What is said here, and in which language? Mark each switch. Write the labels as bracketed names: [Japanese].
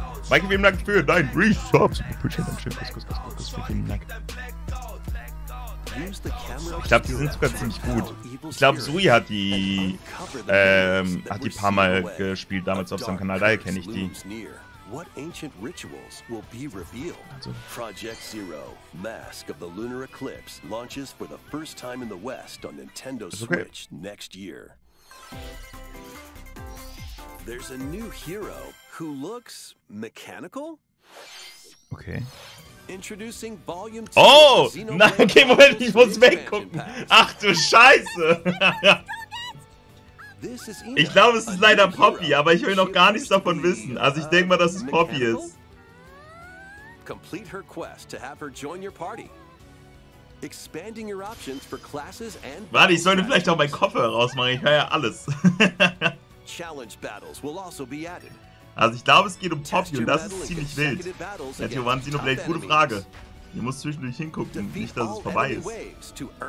[German] Mike, vielen Dank für dein Resub. Ich glaube, die sind sogar ziemlich gut. Ich glaube, Zui hat die ein paar Mal gespielt damals auf seinem Kanal. Daher kenne ich die. [English] What ancient rituals will be revealed? Project Zero, Mask of the Lunar Eclipse, launches for the first time in the West on Nintendo Switch next year. There's a new hero who looks mechanical? Okay. Introducing Volume 2. [German] Oh! Nein, okay, Moment, ich muss weggucken. Ach du Scheiße! Ich glaube, es ist leider Poppy, aber ich will noch gar nichts davon wissen. Also ich denke mal, dass es Poppy ist. [English] Complete her quest to have her join your party. Expanding your options for classes and. [German] Warte, ich sollte vielleicht auch meinen Kopfhörer rausmachen. Ich höre ja alles. [English] Challenge battles will also be added. [German] Also ich glaube, es geht um Poppy und das ist ziemlich wild. Matthew, ja, waren Sie noch vielleicht? Gute Frage. Ihr müsst zwischendurch hingucken, nicht, dass es vorbei ist.